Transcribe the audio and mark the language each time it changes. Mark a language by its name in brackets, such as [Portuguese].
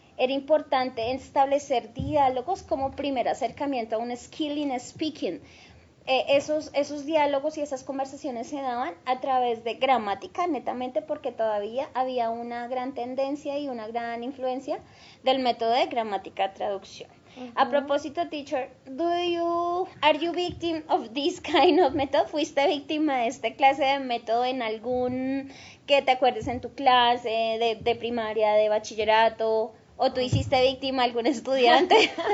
[Spanish] Era importante establecer diálogos como primer acercamiento a un [English] skill in speaking. [Spanish] Esos diálogos y esas conversaciones se daban a través de gramática, netamente, porque todavía había una gran tendencia y una gran influencia del método de gramática traducción. A propósito, [English] teacher, are you victim of this kind of method? [Spanish] ¿Fuiste víctima de esta clase de método en algún que te acuerdes en tu clase de primaria, de bachillerato? ¿O tú hiciste víctima a algún estudiante?